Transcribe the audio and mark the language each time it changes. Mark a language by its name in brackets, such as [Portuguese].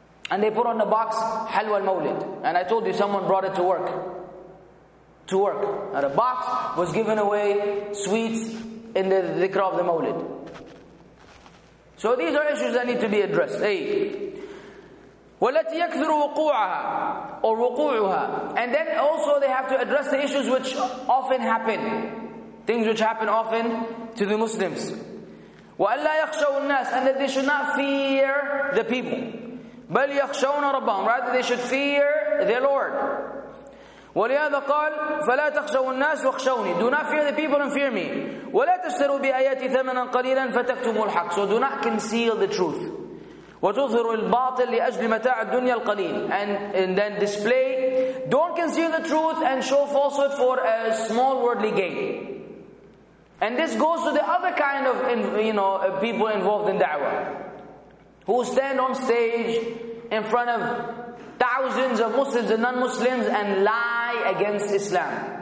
[English] And they put on the box Halwa al-Mawlid. And I told you someone brought it to work. And a box was given away, sweets in the dhikr of the Mawlid. So these are issues that need to be addressed. Hey. [Arabic] والتي يكثر وقوعها or وقوعها. [English] And then also they have to address the issues which often happen, things which happen often to the Muslims. [Arabic] وألا يخشوا الناس, [English] and that they should not fear the people. [Arabic] بل يخشون ربهم, [English] rather they should fear their Lord. [Arabic] ولهذا قال فلا تخشوا الناس واخشوني, [English] do not fear the people and fear me. [Arabic] ولا تشتروا بآياتي ثمنا قليلا فتكتموا الحق, [English] so do not conceal the truth. [Arabic] وتظهروا الباطل لأجل متاع الدنيا القليل, [English] and then display, don't conceal the truth and show falsehood for a small worldly gain. And this goes to the other kind of, you know, people involved in da'wah, who stand on stage in front of thousands of Muslims and non-Muslims and lie against Islam.